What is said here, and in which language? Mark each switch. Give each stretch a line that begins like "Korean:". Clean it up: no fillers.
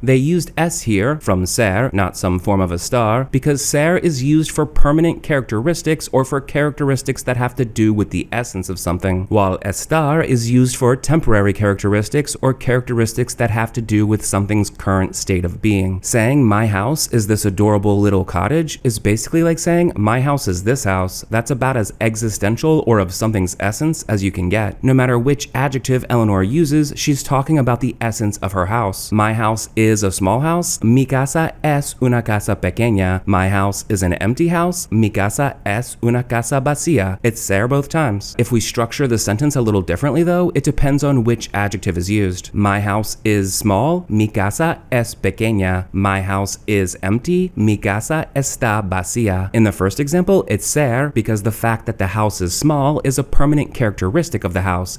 English: They used es here, from ser, not some form of a star, because ser is used for permanent characteristics or for characteristics that have to do with the essence of something, while estar is used for temporary characteristics or characteristics that have to do with something's current state of being. Saying my house is this adorable little cottage is basically like saying my house is this house. That's about as existential or of something's essence as you can get. No matter which adjective Eleanor uses, she's talking about the essence of her house. My house is a small house.
Spanish: Mi casa es una casa pequeña.
English: My house is an empty house.
Spanish: Mi casa es una casa vacía.
English: It's ser both times. If we structure the sentence a little differently, though, it depends on which adjective is used. My house is small.
Spanish: Mi casa es pequeña.
English: My house is empty.
Spanish: Mi casa está vacía.
English: In the first example, it's ser because the fact that the house is small is a permanent characteristic of the house.